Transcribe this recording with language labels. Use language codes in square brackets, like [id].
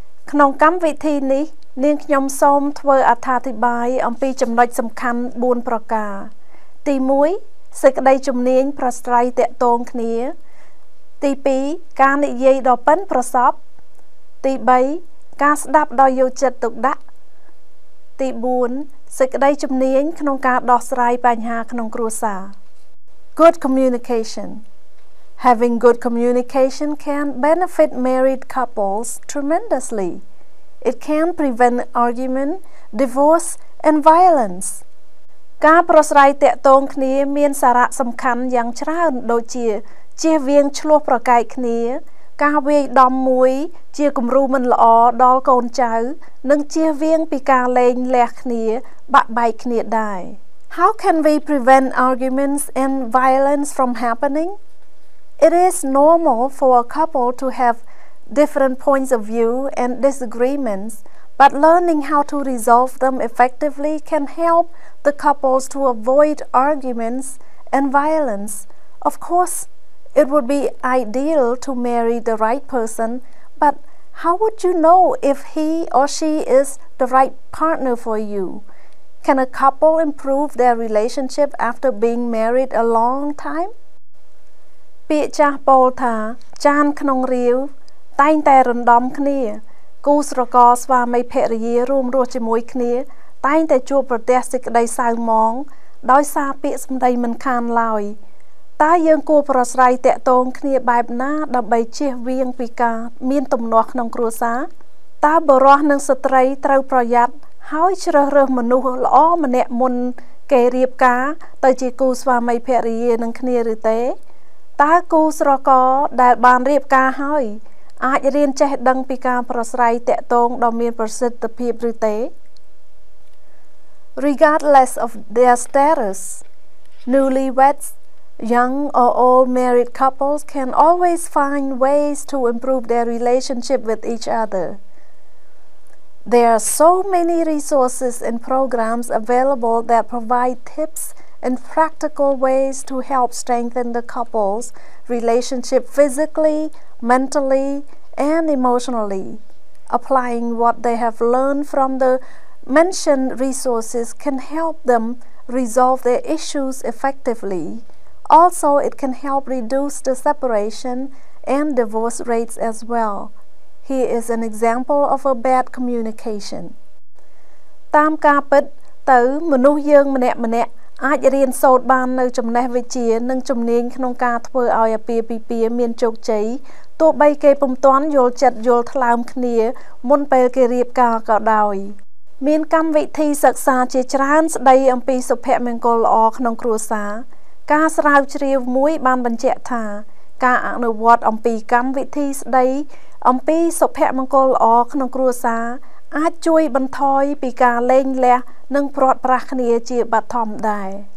[km] ក្នុងកម្មវិធីនេះនាងខ្ញុំសូមធ្វើអត្ថាធិប្បាយអំពីចំណុចសំខាន់4ប្រការទី1សេចក្តីជំនាញប្រស្រ័យតាក់ទងគ្នាទី2ការនិយាយដ៏ប៉ិនប្រសប់ទី3ការស្ដាប់ដោយយកចិត្តទុកដាក់ទី4សេចក្តីជំនាញក្នុងការដោះស្រាយបញ្ហាក្នុងគ្រួសារ [en] Good communication. Having good communication can benefit married couples tremendously. It can prevent argument, divorce, and violence. [km] ការប្រស្រ័យតាក់ទងគ្នាមានសារៈសំខាន់យ៉ាងច្រើនដូចជាជៀសវាងឈ្លោះប្រកែកគ្នាការវាយដំមួយជាគំរូមិនល្អដល់កូនចៅនិងជៀសវាងពីការលេងលះគ្នាបាក់បែកគ្នាដែរ [en] How can we prevent arguments and violence from happening? It is normal for a couple to have different points of view and disagreements, but learning how to resolve them effectively can help the couples to avoid arguments and violence. Of course, it would be ideal to marry the right person, but how would you know if he or she is the right partner for you? Can a couple improve their relationship after being married a long time? [km] ពាក្យចាស់ពោលថាចានក្នុងរាវតែងតែរំដំគ្នាគូស្រករស្វាមីភរិយារួមរស់ជាមួយគ្នាតែងតែជួបប្រទះសេចក្តីសៅហ្មងដោយសារពាក្យសម្ដីមិនខានឡើយ តើយើងគួរប្រស្រ័យតាក់ទងគ្នាបែបណាដើម្បីជៀសវាងពីការមានទំនាស់ក្នុងគ្រួសារតើបុរសនិងស្ត្រីត្រូវប្រយ័ត្នហើយជ្រើសរើសមនុស្សល្អម្នាក់មុនគេរៀបការទៅជាគូស្វាមីភរិយានឹងគ្នាឬទេតើគូស្រករដែលបានរៀបការហើយអាចរៀនចេះដឹងពីការប្រស្រ័យតាក់ទងដ៏មានប្រសិទ្ធភាពឬទេ [en] Regardless of their status newlyweds young or old married couples can always find ways to improve their relationship with each otherThere are so many resources and programs available that provide tips and practical ways to help strengthen the couple's relationship physically, mentally, and emotionally. Applying what they have learned from the mentioned resources can help them resolve their issues effectively. Also, it can help reduce the separation and divorce rates as well. Here is an example of a bad communication. [km] តាមការពិតទៅមនុស្សយើងម្នាក់ៗអាចរៀនសូត្របាននៅចំណេះវិជ្ជានិងជំនាញក្នុងការធ្វើឲ្យអាពាហ៍ពិពាហ៍មានជោគជ័យទោះបីគេពុំទាន់យល់ចិត្តយល់ថ្លើមគ្នាមុនពេលគេរៀបការក៏ដោយ មានកម្មវិធីសិក្សាជាច្រើនស្ដីអំពីសុភមង្គលល្អក្នុងគ្រួសារការស្រាវជ្រាវមួយបានបញ្ជាក់ថាការអនុវត្តអំពីកម្មវិធីស្ដីអំពីសុភមង្គលល្អក្នុងគ្រួសារអាចជួយបន្ថយពីការលែងលះនិងព្រាត់ប្រាសគ្នាជាបាត់ធំដែរ